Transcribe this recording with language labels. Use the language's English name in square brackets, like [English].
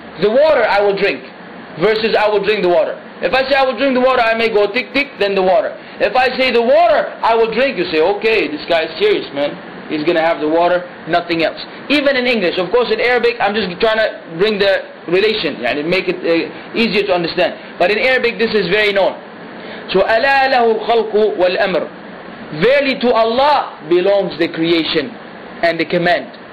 [English] The water I will drink versus I will drink the water. If I say I will drink the water, I may go tick, tick, then the water. If I say the water I will drink, you say, okay, this guy is serious, man. He's going to have the water, nothing else. Even in English. Of course, in Arabic, I'm just trying to bring the relation and make it easier to understand. But in Arabic, this is very known. [Arabic] So, أَلَا لَهُ الْخَلْقُ وَالْأَمْرُ. [English] Verily to Allah belongs the creation and the command.